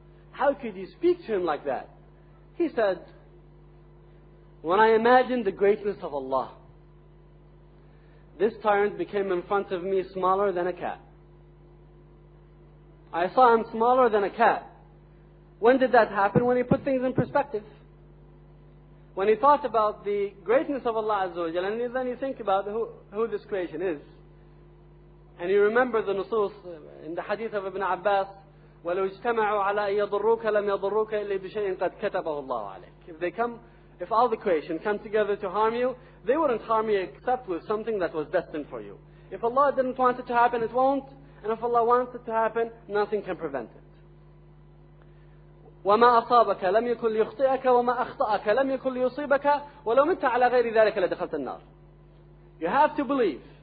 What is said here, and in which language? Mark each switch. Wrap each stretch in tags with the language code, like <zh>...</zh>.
<en>How could you speak to him like that? He said, when I imagined the greatness of Allah, this tyrant became in front of me smaller than a cat. I saw him smaller than a cat. When did that happen? When he put things in perspective. When he thought about the greatness of Allah Azza wa Jalla, and then you think about who this creation is. And you remember the nusus in the hadith of Ibn Abbas, وَلَوْ اجْتَمَعُوا عَلَىٰ يَضُرُّكَ لَمْ يَضُرُّكَ إِلَّا بِشَيْءٍ قَدْ كَتَبَهُ اللَّهُ عَلَيْكَ. If all the creation come together to harm you, they wouldn't harm you except with something that was destined for you. If Allah didn't want it to happen, it won't. And if Allah wants it to happen, nothing can prevent it.</en> <ar>وَمَا أَصَابَكَ لَمْ يَكُنْ لِيُخْطِئَكَ وَمَا أَخْطَأَكَ لَمْ يَكُنْ لِيُصِيبَكَ وَلَوْ مِتَّ عَلَىٰ غَيْرِ ذَلِكَ لَدَخَلْتَ النَّارِ. You have to believe.</ar>